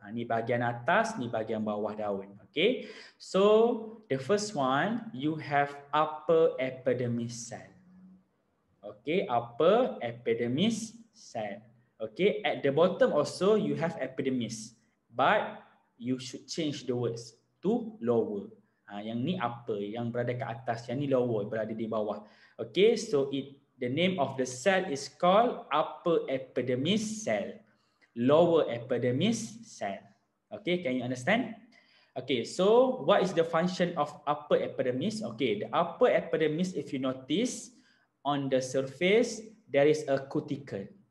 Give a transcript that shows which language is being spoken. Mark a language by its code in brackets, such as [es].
[ms] Ni bahagian atas, ni bahagian bawah daun. [en] Okay, so the first one, you have upper epidermis cell. Okay, upper epidermis cell. Okay, at the bottom also you have epidermis, but you should change the words to lower. [ms] Yang ni upper, yang berada ke atas, yang ni lower, berada di bawah. [en] Okay, so the name of the cell is called upper epidermis cell, lower epidermis cell. Okay, can you understand? Okay, so what is the function of upper epidermis? Okay, the upper epidermis, if you notice, on the surface, there is a cuticle.